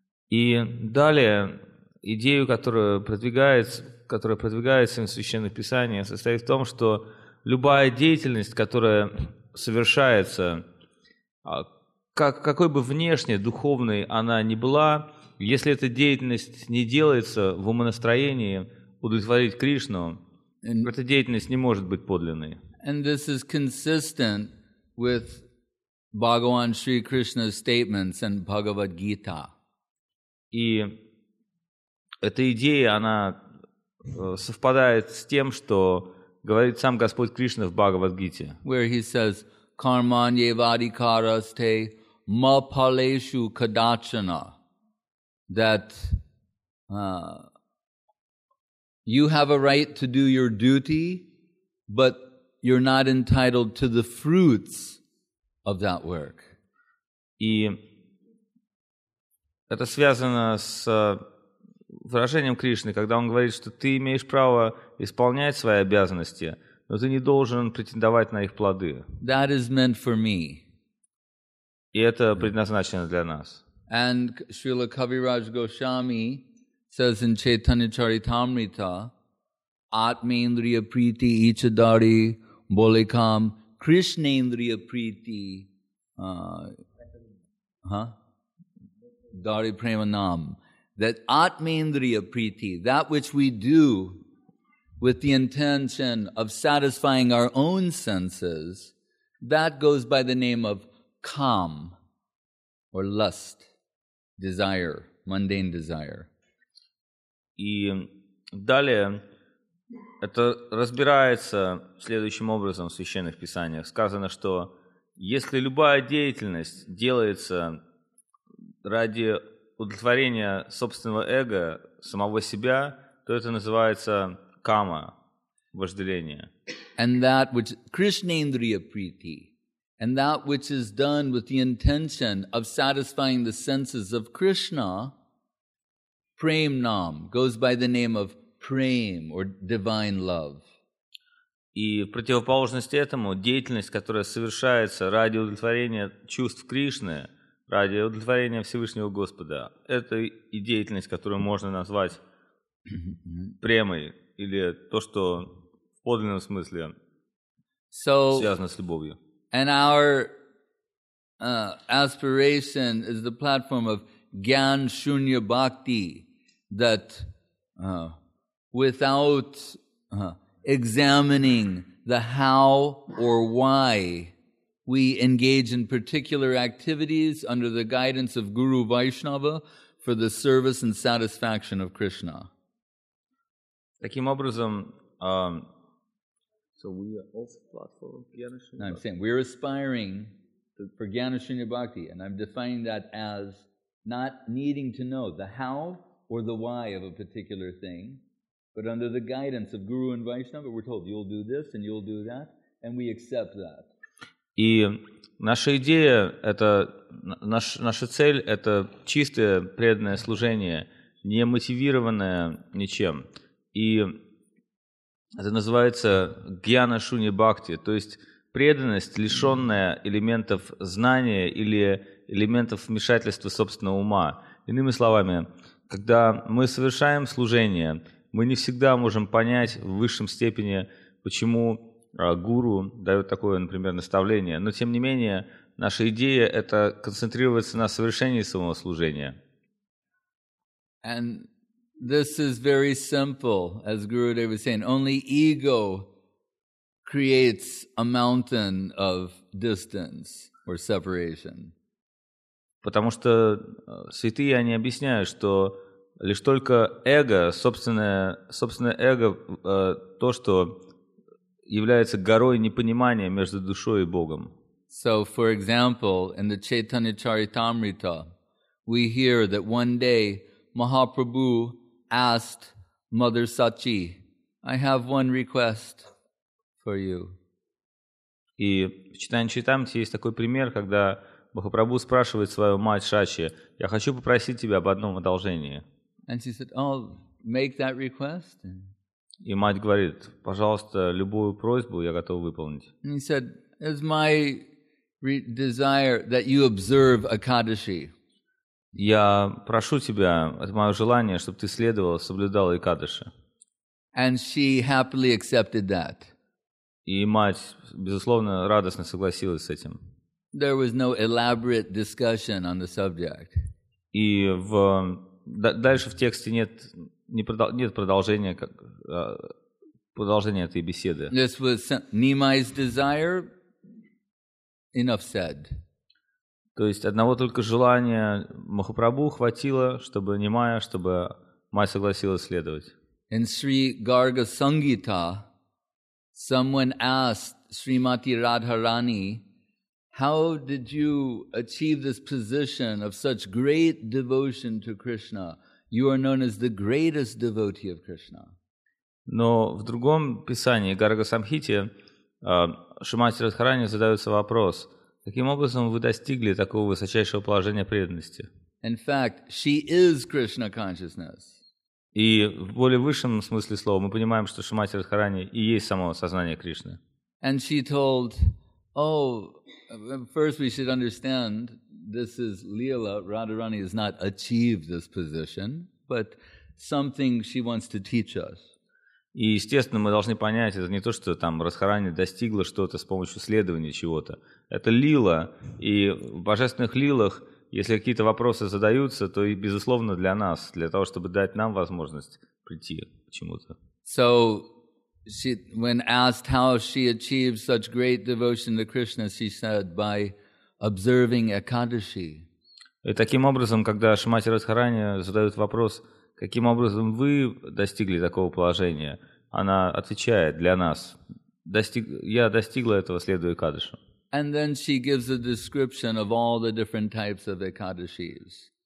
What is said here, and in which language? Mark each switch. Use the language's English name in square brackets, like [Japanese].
[Russian] И далее идею, которая продвигается в Священном Писании, состоит в том, что любая деятельность, которая совершается, какой бы внешней духовной она ни была, если эта деятельность не делается в умонастроении удовлетворить Кришну, эта деятельность не может быть подлинной. [English] And this is consistent with Bhagavan Sri Krishna's statements in Bhagavad Gita. [Russian] И эта идея, она совпадает с тем, что говорит сам Господь Кришна в Бхагавад-гите. [English] Where he says, [Sanskrit] «Карманье вадикарасте мапалешу кадачана». [English] That you have a right to do your duty, but you're not entitled to the fruits of that work. [Russian] И это связано с выражением Кришны, когда он говорит, что ты имеешь право исполнять свои обязанности, но ты не должен претендовать на их плоды. [English] That is meant for me. [Russian] И это предназначено для нас. [English] And Srila Kaviraj Goswami says in Chaitanya Charitamrita, [Sanskrit] Atmendriya Priti Ichadari Bolekam Krishnendriya Priti Dari Premanam. [English] That Atmendriya Priti, that which we do with the intention of satisfying our own senses, that goes by the name of kam, or lust, desire, mundane desire. [Russian] И далее это разбирается следующим образом в Священных Писаниях. Сказано, что если любая деятельность делается ради удовлетворения собственного эго, самого себя, то это называется кама, вожделение. [English] And that which Krishnendriya Priti, and that which is done with the intention of satisfying the senses of Krishna, Premnam, goes by the name of Prem, or divine love. [Russian] И в противоположность этому, деятельность, которая совершается ради удовлетворения чувств Кришны, ради удовлетворения Всевышнего Господа, это и деятельность, которую можно назвать премой, или то, что в подлинном смысле связано с любовью. [English] And our aspiration is the platform of Gyan Shunya Bhakti, that without examining the how or why we engage in particular activities under the guidance of Guru Vaishnava for the service and satisfaction of Krishna. [Russian] Таким образом, [English] So we are also platform of Gyana Shunya Bhakti. No, I'm saying we're aspiring for Gyana Shunya Bhakti, and I'm defining that as not needing to know the how or the why of a particular thing, but under the guidance of Guru and Vaishnava, we're told you'll do this and you'll do that, and we accept that. [Russian] И наша идея это наша цель это чистое преданное служение, не мотивированное ничем. И это называется гьяна шуни бхакти, то есть преданность, лишенная элементов знания или элементов вмешательства собственного ума. Иными словами, когда мы совершаем служение, мы не всегда можем понять в высшем степени, почему гуру дает такое, например, наставление. Но тем не менее, наша идея – это концентрироваться на совершении самого служения. [English] And this is very simple, as Gurudev was saying. Only ego creates a mountain of distance or separation. [Russian] Потому что святые они объясняют, что лишь только эго, собственное эго, то, что является горой непонимания между душой и Богом. [English] So, for example, in the Chaitanya Charitamrita, we hear that one day Mahaprabhu asked Mother Sachi, I have one request for you. [Russian] И в Читании Чайтамрите есть такой пример, когда Махапрабху спрашивает свою мать Сачи, я хочу попросить тебя об одном одолжении. [English] And she said, oh, make that request. [Russian] И мать говорит, пожалуйста, любую просьбу я готов выполнить. [English] And he said, is my desire that you observe Akadashi. [Russian] Я прошу тебя, это мое желание, чтобы ты следовал, соблюдал Экадаши. [English] And she happily accepted that. [Russian] И мать, безусловно, радостно согласилась с этим. [English] There was no elaborate discussion on the subject. [Russian] И в, дальше в тексте нет, нет продолжения, как, продолжения этой беседы. [English] This was Nimai's desire. Enough said. [Russian] То есть одного только желания Махапрабху хватило, чтобы Нимая, чтобы мать согласилась следовать. [English] In Sri Garga Sangita, someone asked Srimati Radharani, how did you achieve this position of such great devotion to Krishna? You are known as the greatest devotee of Krishna. [Russian] Но в другом писании, Гарга Самхите, Шримати Радхарани задается вопрос, каким образом вы достигли такого высочайшего положения преданности? [English] In fact, she is Krishna consciousness. [Russian] И в более высшем смысле слова мы понимаем, что Шримати Радхарани и есть само сознание Кришны. [English] And she told, oh, first we should understand, this is Leela, Radharani has not achieved this position, but something she wants to teach us. [Russian] И, естественно, мы должны понять, это не то, что там Радхарани достигла что-то с помощью следования чего-то. Это лила, и в божественных лилах, если какие-то вопросы задаются, то и, безусловно, для нас, для того, чтобы дать нам возможность прийти к чему-то. [English] So, she, when asked how she achieved such great devotion to Krishna, she said, by observing Ekadashi. [Russian] И таким образом, когда Шримати Радхарани задают вопрос, каким образом вы достигли такого положения? Она отвечает для нас. Я достигла этого, следуя Экадаши. [English] And then she gives a description of all the different types of Ekadashis.